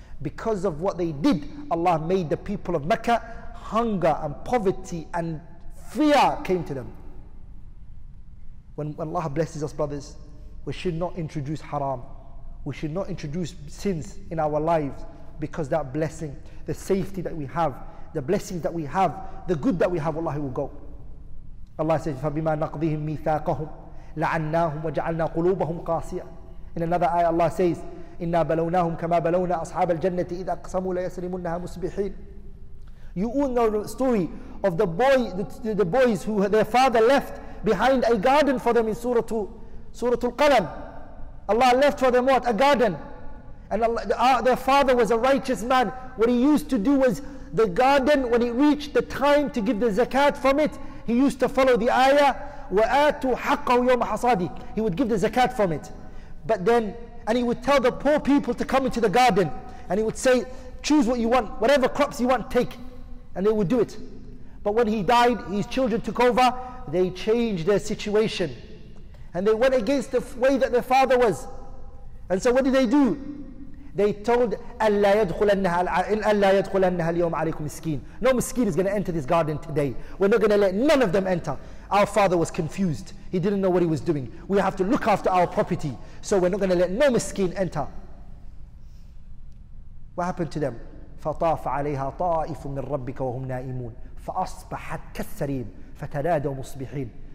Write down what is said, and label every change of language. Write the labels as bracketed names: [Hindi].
[English] Because of what they did, Allah made the people of Mecca, hunger and poverty and fear came to them. When Allah blesses us, brothers, we should not introduce haram. We should not introduce sins in our lives, because that blessing, the safety that we have, the blessings that we have, the good that we have, Allah will go. Allah says, [Arabic] فَبِمَا نَقْضِهِمْ مِيثَاقَهُمْ لَعَنَّاهُمْ وَجَعَلْنَا قُلُوبَهُمْ قَاسِيَةً. [English] In another ayah, Allah says, [Arabic] إِنَّا بَلَوْنَاهُمْ كَمَا بَلَوْنَا أَصْحَابَ الْجَنَّةِ إِذَا أَقْسَمُوا لَيَسْلِمُنَّهَا مُسْبِحِينَ. [English] You all know the story of the boy, the boys who their father left behind a garden for them in Suratul Qalam. Allah left for them what? A garden. And Allah, their father was a righteous man. What he used to do was, the garden, when it reached the time to give the zakat from it, he used to follow the ayah, [Arabic] وَآتُوا حَقَّهُ يَوْمَ حَصَادِ. [English] He would give the zakat from it. But then, and he would tell the poor people to come into the garden, and he would say, choose what you want, whatever crops you want, take. And they would do it. But when he died, his children took over, they changed their situation. And they went against the way that their father was. And so what did they do? They told, [Arabic] أَلَّا يَدْخُلَنَّهَا الْيَوْمَ عَلَيْكُمْ مِسْكِينَ. [English] No miskin is going to enter this garden today. We're not going to let none of them enter. Our father was confused. He didn't know what he was doing. We have to look after our property. So we're not going to let no miskin enter. What happened to them? [Arabic] فَطَافَ عَلَيْهَا طَائِفٌ مِّن رَبِّكَ وَهُمْ نَائِمُونَ فَأَصْبَحَتْ كَالسَّرِيمِ فَتَنَادَوْا مُصْبِحِينَ.